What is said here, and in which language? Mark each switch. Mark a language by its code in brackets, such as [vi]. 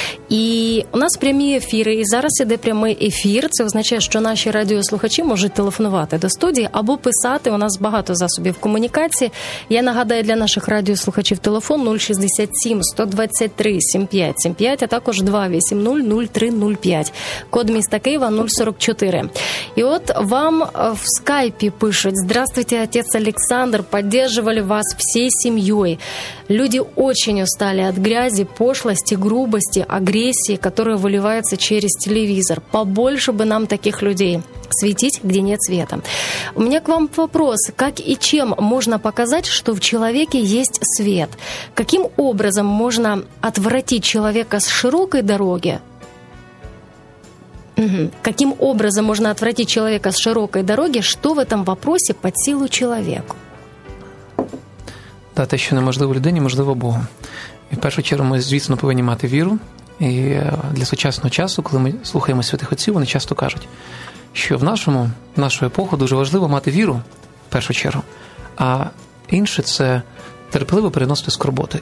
[uk] І у нас прямі ефіри, і зараз іде прямий ефір. Це означає, що наші радіослухачі можуть телефонувати до студії або писати. У нас багато засобів комунікації. Я нагадаю для наших радіослухачів телефон 067-123-7575, а також 280-0305. Код міста Києва 044. І от вам в скайпі пишуть: [ru] «Здравствуйте, отец Александр, поддерживали вас всей семьей. Люди очень устали от грязи, пошлости, грубости, агрессии, которая выливается через телевизор. Побольше бы нам таких людей. Светить, где нет света». У меня к вам вопрос. Как и чем можно показать, что в человеке есть свет? Каким образом можно отвратить человека с широкой дороги? Каким образом можно отвратить человека с широкой дороги? Что в этом вопросе под силу человеку? [uk] Та те, що неможливо людині, можливо Богу. І в першу чергу ми, звісно, повинні мати віру. І для сучасного часу, коли ми слухаємо святих отців, вони часто кажуть, що в нашу епоху дуже важливо мати віру, в першу чергу. А інше – це терпливо переносити скорботи.